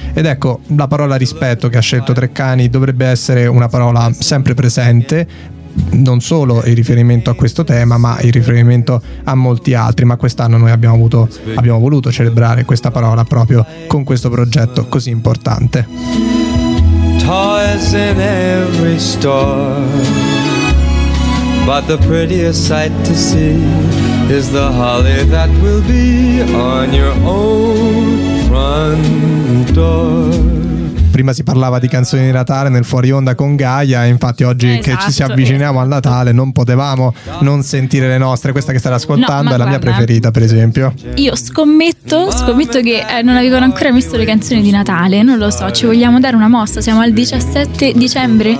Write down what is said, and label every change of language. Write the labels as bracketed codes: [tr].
[it] Ed ecco, la parola rispetto che ha scelto Treccani dovrebbe essere una parola sempre presente, non solo il riferimento a questo tema ma il riferimento a molti altri. Ma quest'anno noi abbiamo voluto celebrare questa parola proprio con questo progetto così importante. [en] Toys in every store, but the prettiest sight to see is the holly that will be on your own front door. [it] Prima si parlava di canzoni di Natale nel Fuori Onda con Gaia, infatti oggi esatto, che ci si avviciniamo esatto. Al Natale non potevamo non sentire le nostre. Questa che stai ascoltando, no, è la mia preferita, per esempio. Io scommetto che non avevano ancora messo le canzoni di Natale, non lo so, ci vogliamo dare una mossa, siamo al 17 dicembre?